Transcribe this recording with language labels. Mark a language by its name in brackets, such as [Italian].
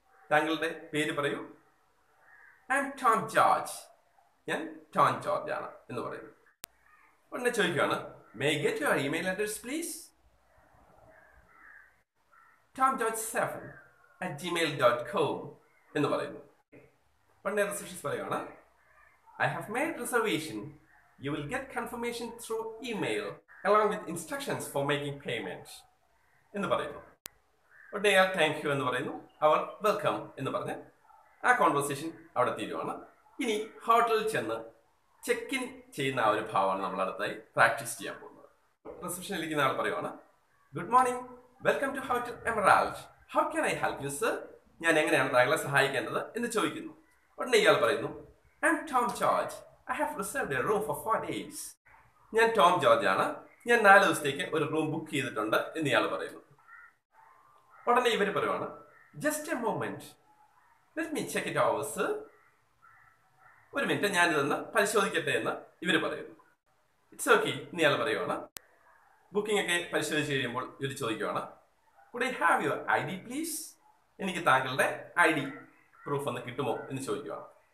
[Malayalam] താങ്കളുടെ പേര് പറയൂ. [English] I'm Tom George, [Malayalam] ഞാൻ ടോം ജോർജ് ആണ് എന്ന് പറയുന്നു. ഉടനെ ചോദിക്കുകയാണ്, [English] May get your email address please? [Malayalam] Tom George 7@gmail.com എന്ന് പറയുന്നു. ഉടനെ റിസപ്ഷനിസ്റ്റ് പറയുകയാണ്, [English] I have made reservation. You will get confirmation through email along with instructions for making payment. [Malayalam] എന്ന് പറയുന്നു. ഉടനെ അയാൾ താങ്ക് യു എന്ന് പറയുന്നു, അവർ വെൽക്കം എന്ന് പറഞ്ഞ് ആ കോൺവെർസേഷൻ അവിടെ തീരുവാണ്. ഇനി ഹോട്ടലിൽ ചെന്ന് ചെക്ക് ഇൻ ചെയ്യുന്ന ആ ഒരു ഭാവമാണ് നമ്മൾ അടുത്തായി പ്രാക്ടീസ് ചെയ്യാൻ പോകുന്നത്. റിസപ്ഷനിലിരിക്കുന്ന ആൾ പറയുവാണ്, [English] Good morning, welcome to hotel Emerald, how can I help you sir? [Malayalam] ഞാൻ എങ്ങനെയാണ് താങ്കളെ സഹായിക്കേണ്ടത് എന്ന് ചോദിക്കുന്നു. ഉടനെ ഇയാൾ പറയുന്നു, [English] I'm Tom George. I have reserved a room for 4 days. [Malayalam] ഞാൻ ടോം ജോർജ് ആണ്, ഞാൻ 4 ദിവസത്തേക്ക് ഒരു റൂം ബുക്ക് ചെയ്തിട്ടുണ്ട് എന്ന് ഇയാൾ പറയുന്നു. ഉടനെ ഇവർ പറയുവാണ്, [English] just a moment, let me check it overs, [Malayalam] ഒരു മിനിറ്റ് ഞാനിതൊന്ന് പരിശോധിക്കട്ടെ എന്ന് ഇവർ പറയുന്നു. [English] it's okay [Malayalam] എന്ന് ഇയാൾ പറയുവാണ്. ബുക്കിംഗ് ഒക്കെ പരിശോധിച്ച് കഴിയുമ്പോൾ ഇവർ ചോദിക്കുവാണ്, [English] could I have your I D please, [Malayalam] എനിക്ക് താങ്കളുടെ ഐ ഡി പ്രൂഫ് ഒന്ന് കിട്ടുമോ എന്ന് ചോദിക്കുവാണ്.